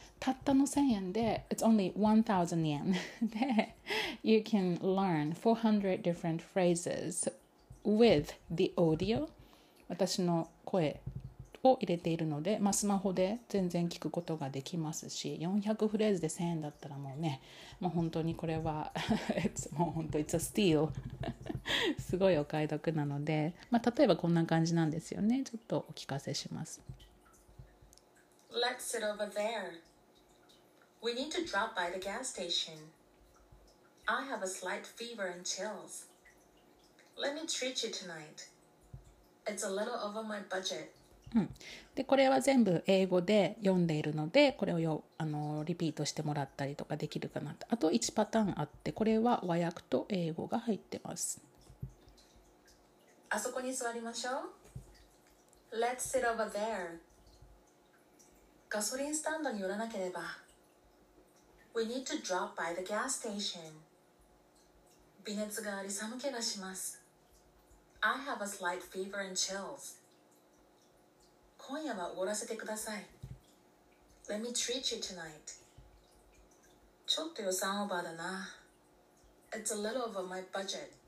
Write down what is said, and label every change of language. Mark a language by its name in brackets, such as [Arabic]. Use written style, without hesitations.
[Japanese] たったの1000円で [English] It's only 1000 yen [Japanese] で [English] You can learn 400 different phrases with the audio、 [Japanese] 私の声を入れているので、まあ、スマホで全然聞くことができますし、400フレーズで1000円だったらもうね、もう本当にこれはもう本当 [English] It's a steal [Japanese] すごいお買い得なので、まあ、例えばこんな感じなんですよね。ちょっとお聞かせします。 [English] Let's sit over there. We need to drop by the gas station. I have a slight fever and chills. Let me treat you tonight. It's a little over my budget [Japanese] うん、でこれは全部英語で読んでいるので、これをリピートしてもらったりとかできるかなと。あと1パターンあって、これは和訳と英語が入ってます。あそこに座りましょう。 [English] Let's sit over there. [Japanese] ガソリンスタンドに寄らなければ。 [English] We need to drop by the gas station. [Japanese] 微熱があり寒気がします。 [English] I have a slight fever and chills. [Japanese] 今夜は終わらせてください。 [English] Let me treat you tonight. [Japanese] ちょっと予算オーバーだな。 [English] It's a little over my budget.